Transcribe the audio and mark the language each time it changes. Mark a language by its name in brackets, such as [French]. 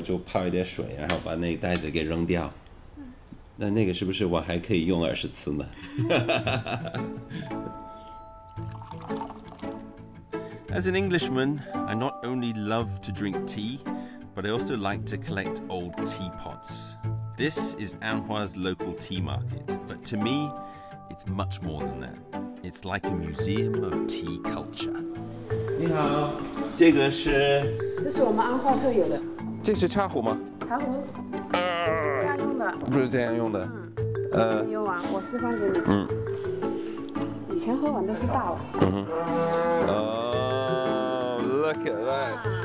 [Chinese] 香闻其香，再观汤色，第一口进去的话可能不是很甜吧，第二口可能还有点涩味，第三口的话你回味一下的话是那种清香的，好喝，非常好。这个是几泡？泡了几次？ 20来泡？啊，对。因为我在英国，我卖茶叶是在一个袋里面，然后我就泡一点水，然后把那个袋子给扔掉。 [English] As an Englishman, I not only love to drink tea, but I also like to collect old teapots. This is Anhua's local tea market, but to me, it's much more than that. It's like a museum of tea culture. [Chinese] 你好，这个是？这是我们安化特有的。这是茶壶吗？茶壶，不是这样用的。没有啊，我示范给你。嗯。以前喝完都是大碗。 [English] 嗯哼。Oh, look at that.